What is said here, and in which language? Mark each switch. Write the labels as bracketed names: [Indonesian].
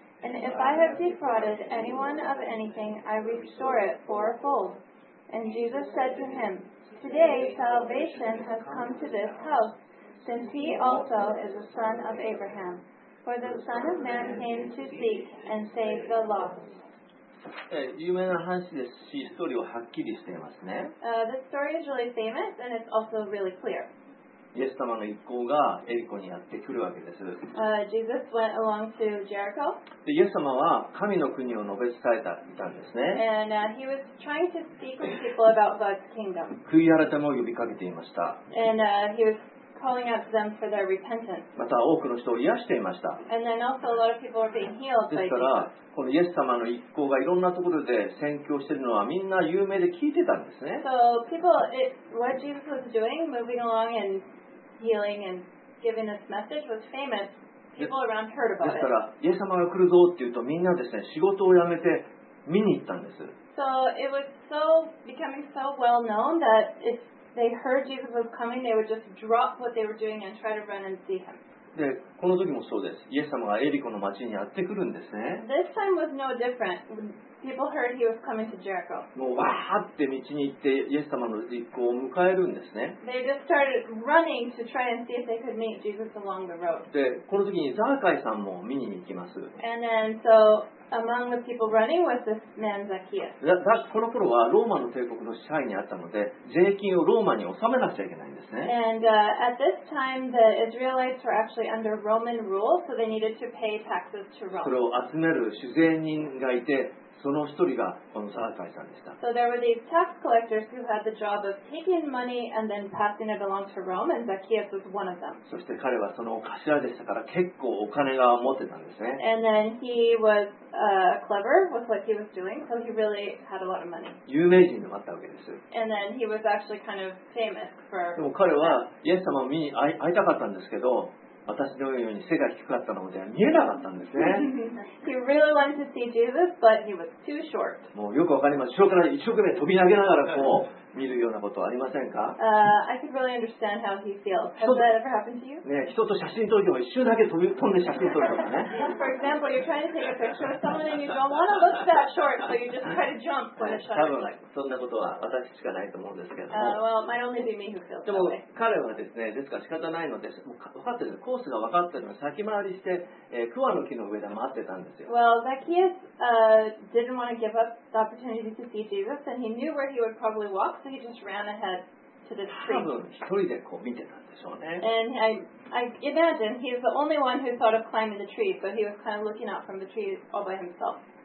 [English] And if I have defrauded anyone of anything, I restore it fourfold. And Jesus said to him, Today salvation has come to this house, since he also is a son of Abraham. For the Son of Man came to seek and save the lost. [Japanese] 有名な話ですし、ストーリーははっきりしていますね。 [English] This story is really famous and it's also really clear. [Japanese] イエス様の一行がエリコにやってくるわけです。 [English] Jesus went along to Jericho. [Japanese] で、イエス様は神の国を述べ伝えていたんですね。 [English] And he was trying to speak with people about God's kingdom. [Japanese] 悔い改めを呼びかけていました。 [English] And he was calling out to them for their repentance. [Japanese] また多くの人を癒していました。 [English] And then also a lot of people were being healed. [Japanese] ですから、このイエス様の一行がいろんなところで宣教しているのはみんな有名で聞いてたんですね。 [English] So people, what Jesus was doing, moving along and healing and giving this message was famous. People around heard about it. [Japanese] ですから、イエス様が来るぞって言うとみんなですね、仕事を辞めて見に行ったんです。 [English] So it was so becoming so well known that if they heard Jesus was coming, they would just drop what they were doing and try to run and see him. [Japanese] でこの時もそうです。イエス様がエリコの町にやってくるんですね。 [English] This time was no different. People heard he was coming to Jericho. [Japanese] もうわーって道に行ってイエス様の一行を迎えるんですね。 [English] They just started running to try and see if they could meet Jesus along the road. [Japanese] でこの時にザーカイさんも見に行きます。 [English] And then so among the people running was this man Zacchaeus. [Japanese] この頃はローマの帝国の支配にあったので税金をローマに納めなくちゃいけない。 [English] And at this time, the Israelites were actually under Roman rule, so they needed to pay taxes to Rome. [Japanese] それを集める主税人がいて、その一人がこのザーカイさんでした。 [English] So there were these tax collectors who had the job of taking money and then passing it along to Rome, and Zacchaeus was one of them. [Japanese] そして彼はその頭でしたから結構お金が持ってたんですね。 [English] And then he was clever with what he was doing, so he really had a lot of money. [Japanese] 有名人でもあったわけです。 [English] And then he was actually kind of famous for. [Japanese] でも彼はイエス様を見に会いたかったんですけど、私のように背が低かったので見えなかったんですね。 [English] He really wanted to see Jesus, but he was too short. [Japanese] もうよくわかります。後ろから一生懸命飛び投げながらこう見るようなことはありませんか？ [English] I can really understand how he feels. Has that ever happened to you? [Japanese] ね、人と写真撮るのも一瞬だけ飛んで写真撮るとかね。 [English] For example, you're trying to take a picture of someone and you don't want to look that short, so you just try to jump when a shot is taken. [Japanese] 多分そんなことは私しかないと思うんですけども。 [English] Well, it might only be me who feels that way. [Japanese] でも彼はですね、ですから仕方ないので、もう分かってるんです。コースが分かってるので先回りして、桑の木の上で待ってたんですよ。 [English] Well, Zacchaeus didn't want to give up the opportunity to see Jesus, and he knew where he would probably walk. So he just ran ahead to the tree. And I imagine he's the only one who thought of climbing the tree, so he was kind of looking out from the tree all by himself.